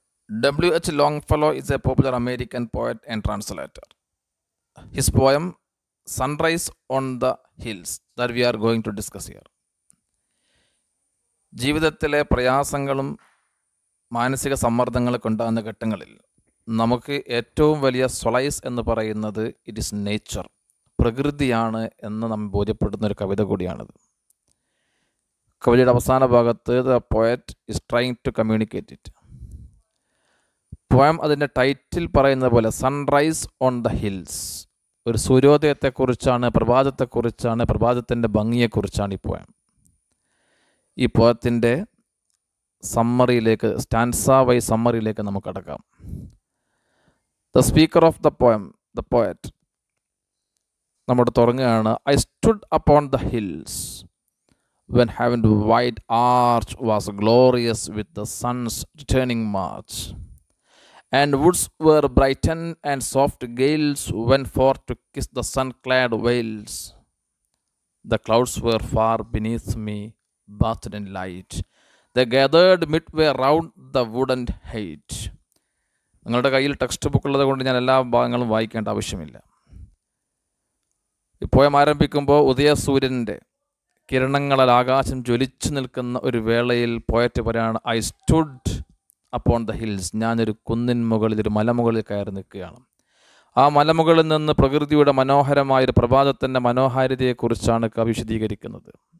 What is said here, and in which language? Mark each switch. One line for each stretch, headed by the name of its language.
English: WH Longfellow is a popular American poet and translator. His poem, Sunrise on the Hills, that we are going to discuss here.
Malayalam: ജീവിതത്തിലെ പ്രയാസങ്ങളും മാനസിക സമ്മർദ്ദങ്ങളും ഉണ്ടാകുന്ന ഘട്ടങ്ങളിൽ നമുക്ക് ഏറ്റവും വലിയ സൊളൈസ് എന്ന് പറയുന്നത്
English: it is nature,
Malayalam: പ്രകൃതിയാണ് എന്ന് നമ്മൾ ബോധ്യപ്പെടുന്ന ഒരു കവിത കൂടിയാണിത്. കവിതയുടെ അവസാന ഭാഗത്ത്
English: The poet is trying to communicate it.
Malayalam: Poem അതിൻ്റെ ടൈറ്റിൽ പറയുന്നത് പോലെ സൺറൈസ് ഓൺ ദ ഹിൽസ്, ഒരു സൂര്യോദയത്തെക്കുറിച്ചാണ്, പ്രഭാതത്തെക്കുറിച്ചാണ്, പ്രഭാതത്തിൻ്റെ ഭംഗിയെക്കുറിച്ചാണ് ഈ പോയം. ഈ പോയത്തിൻ്റെ സമ്മറിയിലേക്ക്, സ്റ്റാൻസ വൈ സമ്മറിയിലേക്ക് നമുക്ക് കടക്കാം.
English: the speaker of the poem, the poet
Malayalam: നമ്മുടെ തുടങ്ങുകയാണ്.
English: I stood upon the hills when heaven wide arch was glorious with the sun's returning march. And woods were brightened and soft gales went forth to kiss the sun-clad vales. The clouds were far beneath me, bathed in light. They gathered midway round the wooden height.
Malayalam: നിങ്ങളുടെ കയ്യിൽ text book ഉള്ളത് കൊണ്ട് ഞാൻ എല്ലാ ഭാഗങ്ങളും വായിക്കേണ്ട ആവശ്യമില്ല. ഇപ്പോയം ആരംഭിക്കുമ്പോൾ ഉദയ സൂര്യൻ്റെ കിരണങ്ങളാൽ ആകാശം ജ്വലിച്ചു നിൽക്കുന്ന ഒരു വേളയിൽ പോയറ്റ് പറയാണ്,
English: I stood upon the hills.
Malayalam: ഞാനൊരു കുന്നിൻ മുകളിൽ, ഒരു മലമുകളിൽ കയറി നിൽക്കുകയാണ്. ആ മലമുകളിൽ നിന്ന് പ്രകൃതിയുടെ മനോഹരമായ ഒരു പ്രഭാതത്തിൻ്റെ മനോഹാരിതയെക്കുറിച്ചാണ് കവി വിശദീകരിക്കുന്നത്.